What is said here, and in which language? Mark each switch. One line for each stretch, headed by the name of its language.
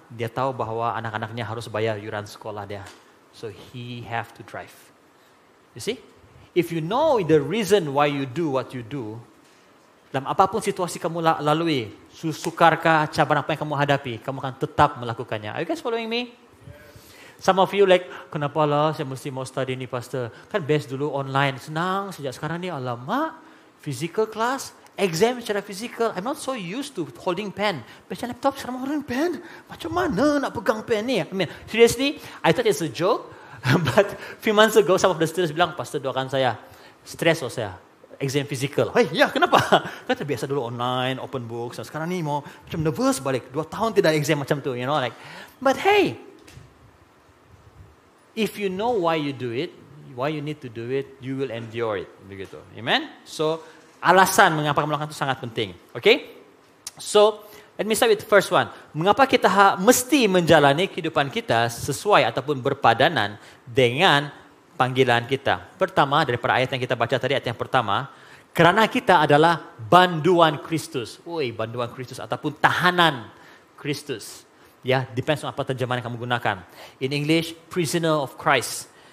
Malay: Dia tahu bahwa anak-anaknya harus bayar yuran sekolah dia.
English: So he have to drive. You see? If you know the reason why you do
Malay: what you do, dalam apapun situasi kamu lalui, sukarkah cabaran apa yang kamu hadapi, kamu akan tetap melakukannya.
English: Are you guys following me? Some of you like,
Malay: kenapa lah saya mesti mau study ni pastor? Kan best dulu online, senang. Sejak sekarang ni alamak, physical class, exam secara physical.
English: I'm not so used to holding pen.
Malay: Macam laptop sekarang
English: holding pen.
Malay: Macam mana nak pegang pen ni?
English: I mean, seriously, I thought it's a joke. But few months ago, some of the students
Malay: bilang, pastor doakan saya, stress loh saya,
English: exam physical.
Malay: Hey, ya kenapa? Kan terbiasa dulu online, open book. Sekarang ni mau macam nervous balik. 2 tahun tidak exam macam tu, you know, like.
English: But hey, if you know why you do it, why you need to do it, you will endure it.
Malay: Begitu. Amen? So, alasan mengapa kamu melakukan itu sangat penting.
English: Okay? So, let me start with the first one.
Malay: Mengapa kita mesti menjalani kehidupan kita sesuai ataupun berpadanan dengan panggilan kita? Pertama, daripada ayat yang kita baca tadi, ayat yang pertama, kerana kita adalah banduan Kristus. Woi, banduan Kristus ataupun tahanan Kristus. Yeah,
English: depends on
Malay: apa terjemahan yang kamu gunakan.
English: In English, prisoner of Christ.